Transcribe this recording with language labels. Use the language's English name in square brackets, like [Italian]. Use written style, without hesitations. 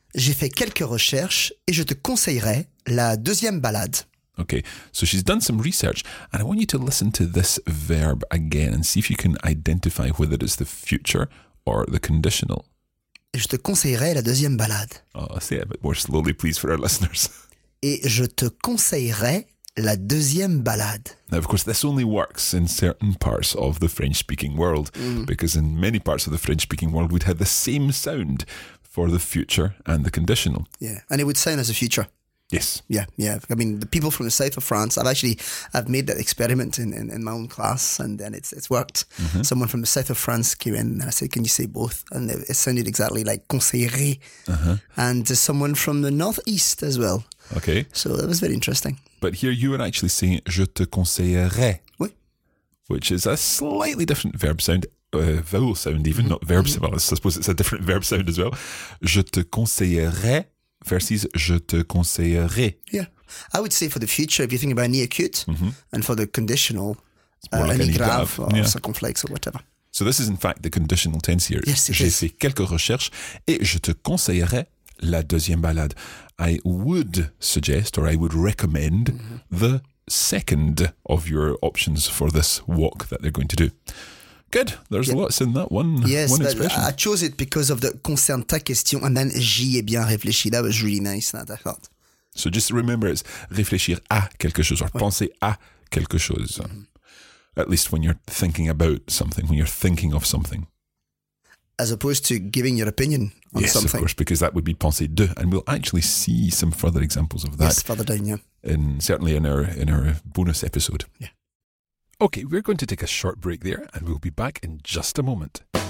[French] J'ai fait quelques recherches et je te conseillerais la deuxième balade. [English] Okay, so she's done some research. And I want you to listen to this verb again and see if you can identify whether it's the future or the conditional. [French] Je te conseillerais la deuxième balade. [English] Oh, say it a bit more slowly, please, for our listeners. [French] et je te conseillerais la deuxième balade. [English] Now, of course, this only works in certain parts of the French-speaking world, because in many parts of the French-speaking world, we'd have the same sound for the future and the conditional. Yeah, and it would sound as a future. Yes. Yeah, yeah. I mean, the people from the south of France, I've made that experiment in my own class, and then it's worked. Mm-hmm. Someone from the south of France came in, and I said, can you say both? And it sounded exactly like conseillé. Uh-huh. And someone from the northeast as well. Okay. So that was very interesting. But here you were actually saying, [French] je te conseillerais. Oui. [English] Which is a slightly different verb sound, vowel sound even, mm-hmm. not verb sound. Mm-hmm. Well, I suppose it's a different verb sound as well. [French] Je te conseillerais. Versus je te conseillerais. [English] Yeah. I would say for the future, if you think about ni acute, mm-hmm. and for the conditional, any like grave or yeah. circumflex or whatever. So this is in fact the conditional tense here. Yes, it [French] J'ai [English] is. [French] Fait quelques recherches et je te conseillerais la deuxième balade. [English] I would suggest or I would recommend mm-hmm. the second of your options for this walk that they're going to do. Good. There's lots in that one. Yes, one expression. I chose it because of the concern ta question, and then [French] j'y ai bien réfléchi. [English] That was really nice, that I thought. So just remember, it's [French] réfléchir à quelque chose [English] or [French] penser à quelque chose. [English] At least when you're thinking about something, when you're thinking of something. As opposed to giving your opinion on yes, something. Yes, of course, because that would be penser de. And we'll actually see some further examples of that. Yes, further down, yeah. Certainly in our bonus episode. Yeah. Okay, we're going to take a short break there and we'll be back in just a moment.